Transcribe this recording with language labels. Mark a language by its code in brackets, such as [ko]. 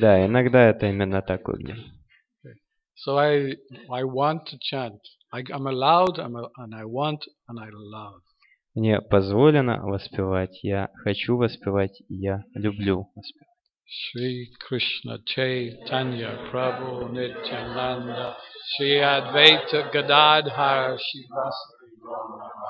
[ru] Да, иногда это именно так выглядит. [en] So I want to chant. I'm allowed, and I want, and I love. [ru] Мне позволено воспевать. Я хочу воспевать. Я люблю воспевать. [sa] Шри Кришна Чайтанья Прабху Нитьянанда Шри Адвайта Гададхара Шивасати Брахма.